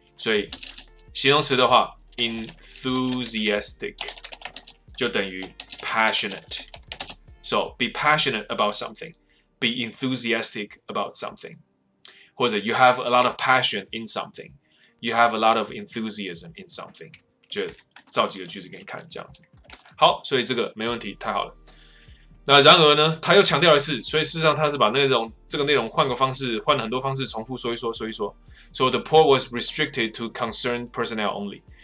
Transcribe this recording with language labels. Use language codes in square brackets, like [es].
[zh] 所以形容词的话 ，enthusiastic 就等于 passionate。 [en] So be passionate about something, be enthusiastic about something， 或者 you have a lot of passion in something, you have a lot of enthusiasm in something， 就。 [zh] 造几个句子给你看，这样子。好，所以这个没问题，太好了。那然而呢，他又强调一次，所以事实上他是把内容这个内容换个方式，换了很多方式重复说一说，说一说。 [en] So the port was restricted to concerned personnel only。